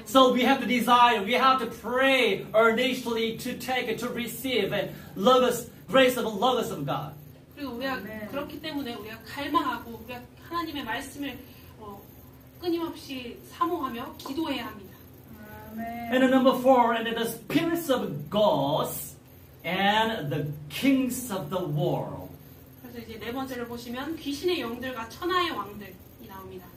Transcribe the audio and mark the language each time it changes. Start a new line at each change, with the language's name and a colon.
English: So we have to desire, we have to pray earnestly to take, to receive a logos, grace of a logos of God.
Korean: 그리고 우리가 Amen. 그렇기 때문에 우리가 갈망하고 우리가 하나님의 말씀을 끊임없이 사모하며 기도해야 합니다. Amen.
English: And number four, and the spirits of gods and the kings of the world.
Korean: 그래서 이제 네 번째를 보시면 귀신의 영들과 천하의 왕들이 나옵니다.